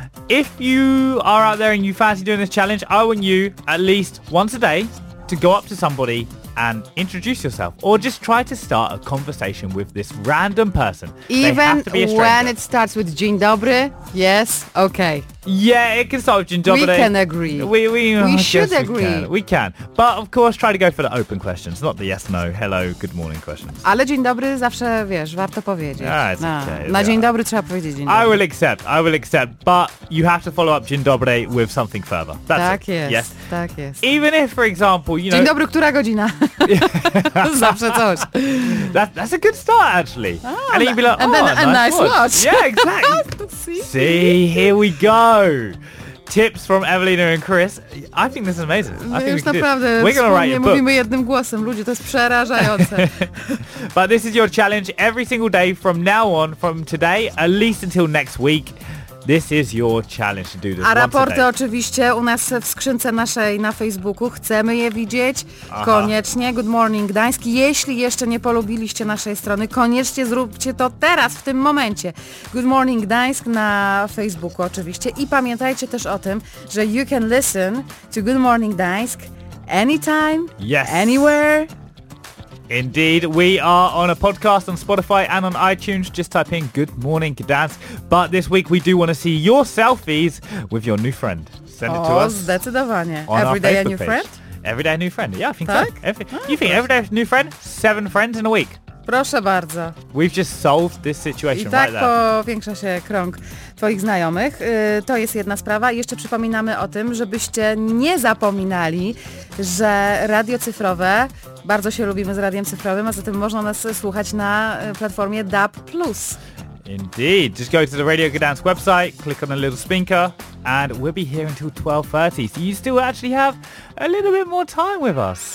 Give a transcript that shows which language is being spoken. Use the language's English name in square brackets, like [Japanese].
[English] If you are out there and you fancy doing this challenge, I want you at least once a day to go up to somebody and introduce yourself, or just try to start a conversation with this random person. Even when it starts with Dzień dobry, yes, okay. Yeah, it can start with Dzień dobry. We can agree. We should agree. We can. But of course, try to go for the open questions, not the yes, no, hello, good morning questions. [Polish] Ale Dzień dobry zawsze, wiesz, warto powiedzieć. [English] Ah, it's okay. [Polish] Na Dzień dobry trzeba powiedzieć Dzień dobry. [English] I will accept. But you have to follow up Dzień dobry with something further. [Polish] Tak jest. [English] Even if, for example, you know... [Polish] Dzień dobry, która godzina? Zawsze coś. [English] That's a good start, actually. Ah, and you'd be like, and oh, then a nice watch. Yeah, exactly. See, here we go. Tips from Evelina and Chris. I think this is amazing. We're going to write a book. [Polish] Mówimy jednym głosem. Ludzie, to jest przerażające. [English] But this is your challenge every single day from now on, from today, at least until next week. This is your challenge to do this. [Polish] A raporty oczywiście u nas w skrzynce naszej na Facebooku. Chcemy je widzieć. Aha. Koniecznie. Good morning, Gdańsk. Jeśli jeszcze nie polubiliście naszej strony, koniecznie zróbcie to teraz, w tym momencie. Good morning, Gdańsk na Facebooku oczywiście. I pamiętajcie też o tym, że [English] you can listen to [Polish] Good Morning, Gdańsk [English] anytime, yes, anywhere. Indeed, we are on a podcast on Spotify and on iTunes. Just type in Good Morning Gdańsk. But this week we do want to see your selfies with your new friend. Send it to us. [Polish] Zdecydowanie. [English] Everyday a new friend? Everyday a new friend. Yeah, I think so. You think everyday a new friend? 7 friends in a week. [Polish] Proszę bardzo. [English] We've just solved this situation. [Polish] I tak [English] right [Polish] powiększa się krąg twoich znajomych. To jest jedna sprawa. Jeszcze przypominamy o tym, żebyście nie zapominali, że radio cyfrowe, bardzo się lubimy z radiem cyfrowym, a zatem można nas słuchać na platformie DAB+. [English] Indeed. Just go to the Radio Gdańsk website, click on the little speaker, and we'll be here until 12:30. So you still actually have a little bit more time with us.